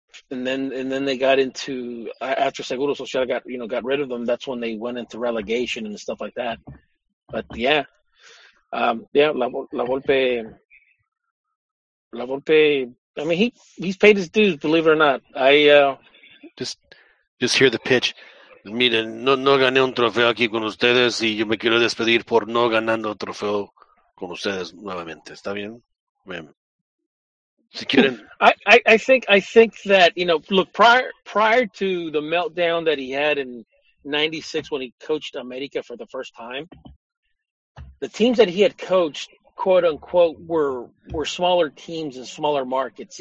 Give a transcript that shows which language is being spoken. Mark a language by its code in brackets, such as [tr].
[en] And then they got into, after Seguro Social got, you know, got rid of them, that's when they went into relegation and stuff like that. But yeah, La Volpe. I mean, he's paid his dues, believe it or not. I just hear the pitch. [es] Miren, no gané un trofeo aquí con ustedes, y yo me quiero despedir por no ganando trofeo con ustedes nuevamente. Está bien, bien. [en] I think that, you know, look, prior to the meltdown that he had in 96 when he coached America for the first time, the teams that he had coached, quote unquote, were smaller teams and smaller markets.